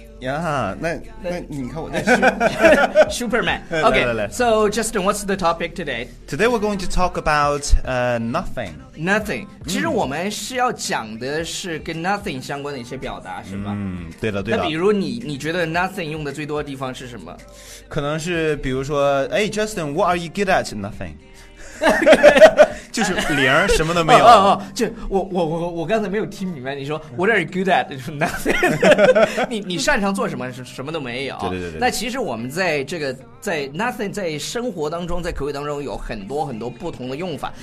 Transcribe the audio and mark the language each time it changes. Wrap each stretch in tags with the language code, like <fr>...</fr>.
<zh>呀、yeah, 那你看我的</zh> <en>Superman OK</en> <zh>来来来</zh> <en>So Justin, what's the topic today? Today we're going to talk about nothing.</en> <zh>Nothing 其实我们是要讲的是跟 nothing 相关的一些表达，是吧？对的对的。那比如你觉得 nothing 用的最多的地方是什么？可能是比如说</zh> <en>Hey Justin, what are you good at?</en> <zh>Nothing就是零什么都没有。就我刚才没有听明白你说</zh> <en>What are you good at?</en> <zh>Nothing 你擅长做什么？什么都没有。对对对对。那其实我们在这个在 nothing 在生活当中，在口语当中有很多很多不同的用法。</zh>